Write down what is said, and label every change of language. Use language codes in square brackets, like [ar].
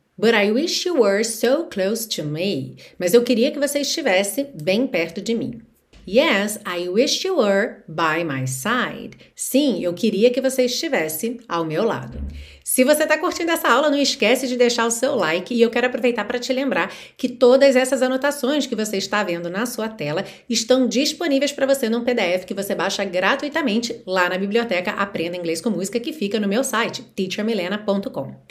[en] But I wish you were so close to me. [pt] Mas eu queria que você estivesse bem perto de mim. [en] Yes, I wish you were by my side. [pt] Sim, eu queria que você estivesse ao meu lado. Se você está curtindo essa aula, não esquece de deixar o seu like e eu quero aproveitar para te lembrar que todas essas anotações que você está vendo na sua tela estão disponíveis para você num PDF que você baixa gratuitamente lá na biblioteca Aprenda Inglês com Música, que fica no meu site, teachermilena.com.